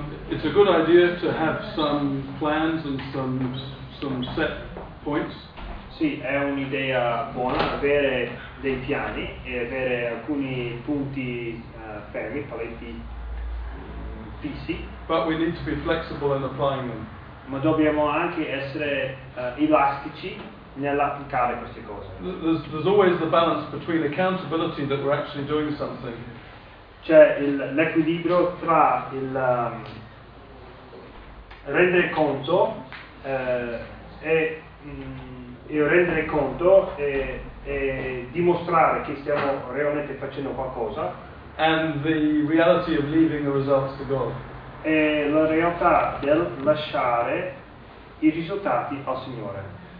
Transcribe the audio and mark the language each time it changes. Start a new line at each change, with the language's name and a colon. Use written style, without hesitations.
English: It's a good idea to have some plans and some set points.
Italian: Sì, è un'idea buona avere dei piani e avere alcuni punti fermi, paletti fissi.
English: But we need to be flexible in applying them.
Italian: Ma dobbiamo anche essere elastici nell'applicare queste cose.
English: There's always the balance between accountability that we're actually doing something.
Italian: C'è l'equilibrio tra il rendere conto e rendere conto e dimostrare che stiamo realmente facendo qualcosa.
English: And the reality of leaving the results to God.
Italian: E la realtà del lasciare i risultati al Signore.